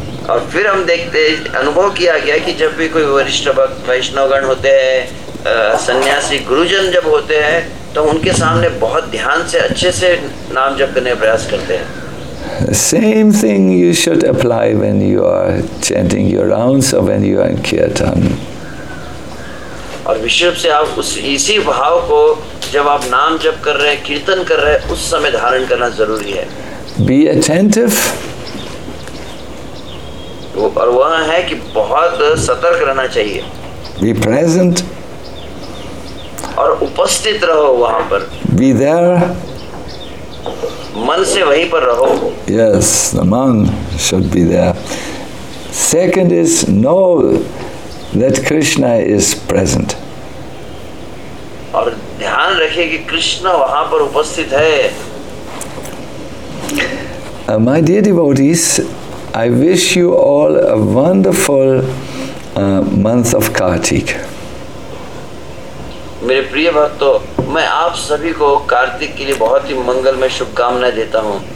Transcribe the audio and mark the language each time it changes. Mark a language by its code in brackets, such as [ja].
[hi] और फिर हम देखते अनुभव किया गया कि जब भी कोई वरिष्ठ भक्त वैष्णवगण होते हैं सन्यासी गुरुजन जब होते हैं तो उनके सामने बहुत ध्यान से अच्छे से नाम जप करने का प्रयास करते हैं। [en] Same thing you should apply when you are chanting your rounds or when you are in kirtan. [hi] और विशेष रूप से आप उस इसी भाव को जब आप नाम जप कर रहे हैं कीर्तन कर रहे हैं उस समय धारण करना जरूरी है। [en] Be attentive. [hi] और वह है कि बहुत सतर्क रहना चाहिए। [en] Be present. [hi] और उपस्थित रहो वहाँ पर। [en] Be there. [hi] मन से वहीं पर रहो। [en] Yes, the mind should be there. Second is know that Krishna is present. [hi] और ध्यान रखिए कि कृष्ण वहाँ पर उपस्थित है। [en] My dear devotees, I wish you all a wonderful month of Kartik. [hi] मेरे प्रिय भक्तों, मैं आप सभी को कार्तिक के लिए बहुत ही मंगलमय शुभकामनाएं देता हूँ।